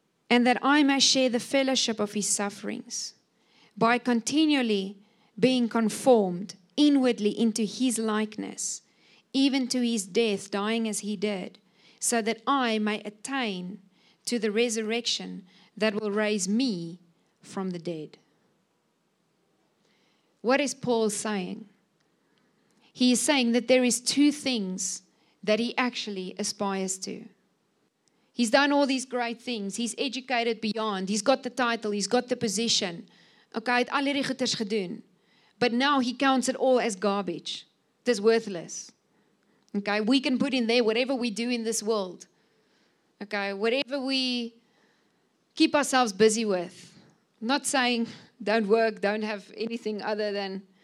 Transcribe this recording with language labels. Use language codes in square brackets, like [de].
[en] And that I may share the fellowship of his sufferings by continually being conformed inwardly into his likeness, even to his death, dying as he did, so that I may attain to the resurrection that will raise me from the dead. What is Paul saying? He is saying that there is two things that he actually aspires to. He's done all these great things. He's educated beyond. He's got the title. He's got the position. [af] Okay, het al hierdie goeders gedoen. [en] But now he counts it all as garbage. It is worthless. Okay, we can put in there whatever we do in this world. Okay, whatever we keep ourselves busy with. Not saying don't work, don't have anything other than.